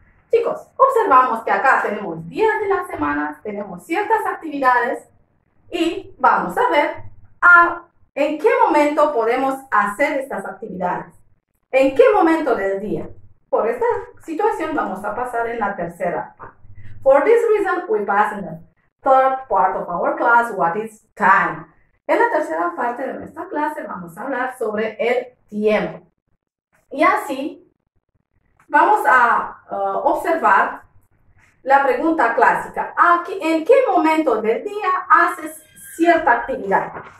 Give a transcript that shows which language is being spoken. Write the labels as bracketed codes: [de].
[es] Chicos, observamos que acá tenemos días de la semana, tenemos ciertas actividades y vamos a ver en qué momento podemos hacer estas actividades. ¿En qué momento del día? Por esta situación vamos a pasar en la tercera parte. [en] For this reason, we pass in the third part of our class, what is time? [es] En la tercera parte de nuestra clase vamos a hablar sobre el tiempo. Y así vamos a observar la pregunta clásica. ¿En qué momento del día haces cierta actividad?